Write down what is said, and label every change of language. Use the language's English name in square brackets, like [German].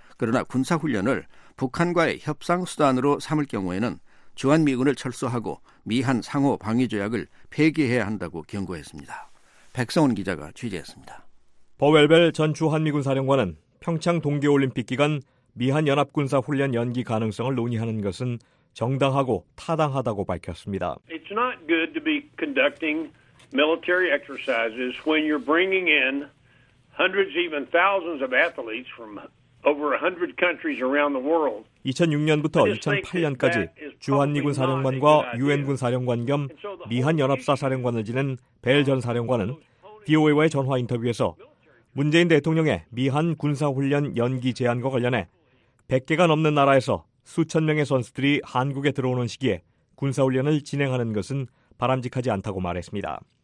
[Korean] 그러나 군사훈련을 북한과의 협상 수단으로 삼을 경우에는 주한미군을 철수하고 미한 상호방위조약을 폐기해야 한다고 경고했습니다. 백성훈 기자가 취재했습니다. 버웰벨 전 주한미군 사령관은 평창 동계올림픽 기간 미한 연합군사훈련 연기 가능성을 논의하는 것은 정당하고 타당하다고 밝혔습니다. [English] It's not good to be conducting military exercises when you're bringing in hundreds, even thousands of athletes from over 100 countries around the world. [Korean] 2006년부터 2008년까지 주한미군 사령관과 유엔군 사령관 겸 미한 연합사 사령관을 지낸 벨 전 사령관은 VOA와의 전화 인터뷰에서 문재인 대통령의 미한 군사훈련 연기 제안과 관련해 100개가 넘는 나라에서 수천 명의 선수들이 한국에 들어오는 시기에 군사훈련을 진행하는 것은 바람직하지 않다고 말했습니다.